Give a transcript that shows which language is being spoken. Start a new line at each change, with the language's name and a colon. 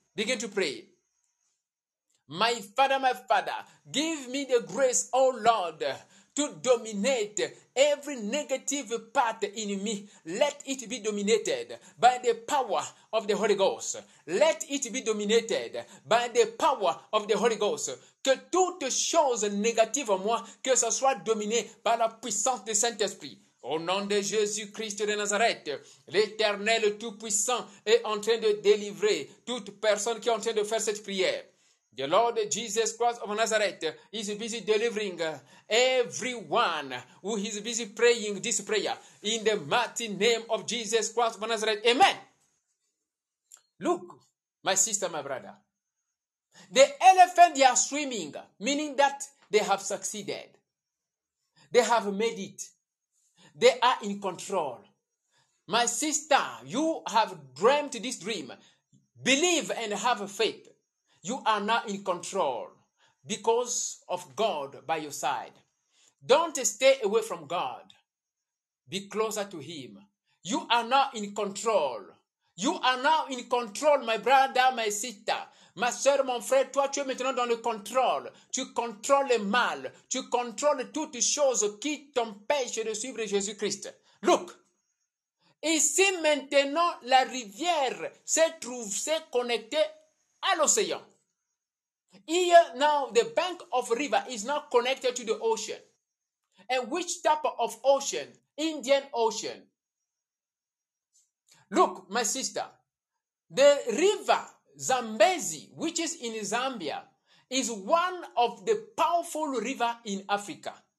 English: Begin to pray. My Father, give me the grace, O Lord, to dominate every negative part in me. Let it be dominated by the power of the Holy Ghost. Let it be dominated by the power of the Holy Ghost.
French: Que toute chose négative en moi, que ce soit dominé par la puissance du Saint-Esprit. Au nom de Jésus-Christ de Nazareth, l'Éternel Tout-Puissant est en train de délivrer toute personne qui est en train de faire cette prière.
English: The Lord Jesus Christ of Nazareth is busy delivering everyone who is busy praying this prayer in the mighty name of Jesus Christ of Nazareth. Amen. Look, my sister, my brother. The elephant, they are swimming, meaning that they have succeeded. They have made it. They are in control. My sister, you have dreamt this dream. Believe and have faith. You are now in control because of God by your side. Don't stay away from God. Be closer to Him. You are now in control. You are now in control, my brother, my sister.
French: Ma soeur, mon frère, toi, tu es maintenant dans le contrôle. Tu contrôles le mal. Tu contrôles toutes choses qui t'empêchent de suivre Jésus-Christ.
English: Look!
French: Ici, maintenant, la rivière s'est connectée à l'océan.
English: Here now, the bank of river is now connected to the ocean. And which type of ocean? Indian Ocean. Look, my sister, the river Zambezi, which is in Zambia, is one of the powerful rivers in Africa.